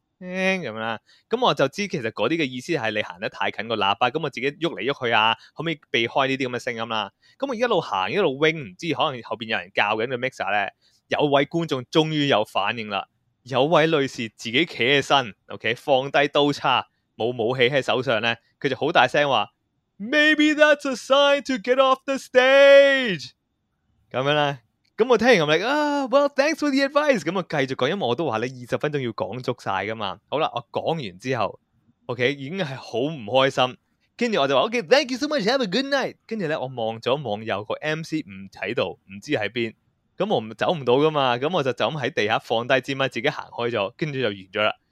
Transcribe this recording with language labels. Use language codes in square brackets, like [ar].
[yue] 咁啦，咁我就知道其实嗰啲嘅意思系你行得太近个喇叭，咁我自己喐嚟喐去啊，可唔可以避开呢啲咁嘅声音啦？咁我一路行一路 wing， 唔知道可能后面有人教紧个 mixer 咧，有位观众终于有反应啦，有位女士自己企起身 ，OK， 放低刀叉，冇武器喺手上咧，佢就好大声话 [en] Maybe that's a sign to get off the stage. [yue] 咁样啦，咁我听完我咪啊 ， [en] Well thanks for the advice。 [yue] 咁我继续讲，因为我都话咧二十分钟要讲足晒噶嘛。好啦，我讲完之后 ，OK 已经系好唔开心。跟住我就话 OK， [en] thank you so much， have a good night。 [yue] 跟住咧，我望咗望右个 MC 唔喺度，唔知喺边。咁我走唔到噶嘛，咁我就咁喺地下放低支麦，自己行开咗，跟住就完咗啦。